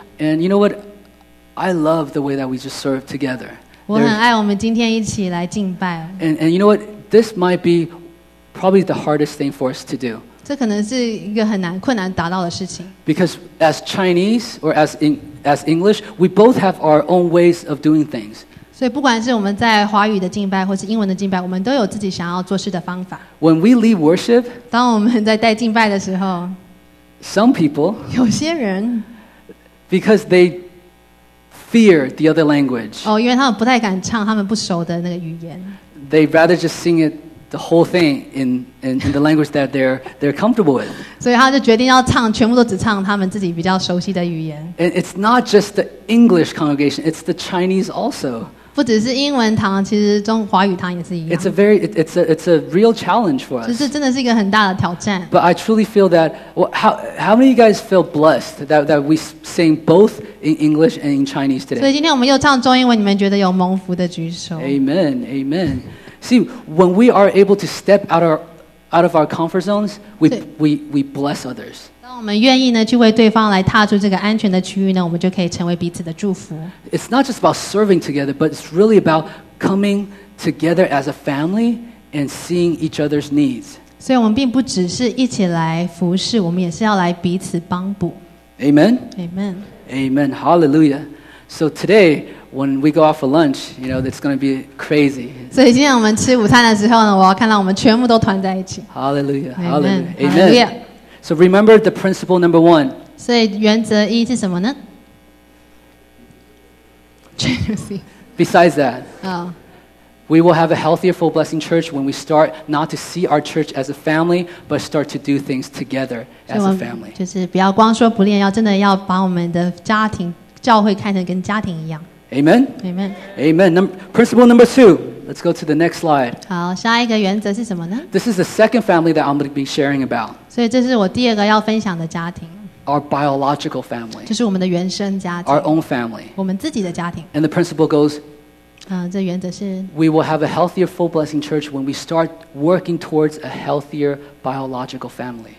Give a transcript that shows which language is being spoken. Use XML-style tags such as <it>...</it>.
<en>And you know what? I love the way that we just serve together.</en> <zh>我很爱我们今天一起来敬拜。</zh> <en>And you know what? This might be probably the hardest thing for us to do.</en> <zh>这可能是一个很难、困难达到的事情。</zh> <en>Because as Chinese or as English, we both have our own ways of doing things.</en> <zh>所以不管是我们在华语的敬拜或是英文的敬拜，我们都有自己想要做事的方法。</zh> <en>When we lead worship,</en> <zh>当我们在带敬拜的时候，</zh> <en>some people,</en> <zh>有些人，</zh> <en>because they fear the other language.</en> <zh>哦，因为他们不太敢唱他们不熟的那个语言。</zh> <en>They rather just sing it the whole thing in the language that they're comfortable with.</en> <zh>所以他就决定要唱，全部都只唱他们自己比较熟悉的语言。</zh> <en>And it's not just the English congregation, it's the Chinese also.</en> <zh>不只是英文堂，其实中华语堂也是一样。</zh> <en>It's a real challenge for us.</en> <zh>就是真的是一个很大的挑战。</zh> <en>But I truly feel that how many of you guys feel blessed that we sing both in English and in Chinese today?</en> <zh>所以今天我们又唱中英文，你们觉得有蒙福的举手。</zh> <en>Amen, amen. See, when we are able to step out of our comfort zones, we bless others.</en> <zh>当我们愿意呢去为对方来踏出这个安全的区域呢，我们就可以成为彼此的祝福。</zh> <en>It's not just about serving together, but it's really about coming together as a family and seeing each other's needs.</en> <zh>所以我们并不只是一起来服侍，我们也是要来彼此帮补。</zh> <en>Amen. Amen. Amen. Hallelujah. So today, when we go out for lunch, you know, it's going to be crazy.</en> <zh>所以今天我们吃午餐的时候呢，我要看到我们全部都团在一起。</zh> <en>Hallelujah. Hallelujah. Amen. Amen. Hallelujah. So remember the principle number one.</en> <zh>所以原则一是什么呢？</zh> <en>Besides that,、we will have a healthier, full blessing church when we start not to see our church as a family, but start to do things together as a family.</en> <zh>就是不要光说不练，要真的要把我们的家庭教会看成跟家庭一样。</zh> <en>Amen. Amen. Amen. Principle number two. Let's go to the next slide.</en> <zh>好，下一个原则是什么呢？</zh> <en>This is the second family that I'm going to be sharing about.</en> <zh>所以这是我第二个要分享的家庭。</zh> <en>Our biological family.</en> <zh>就是我们的原生家庭。</zh> <en>Our own family.</en> <zh>我们自己的家庭。</zh> <en>And the principle goes.</en> <zh>这原则是。</zh> <en>We will have a healthier, full blessing church when we start working towards a healthier biological family.</en>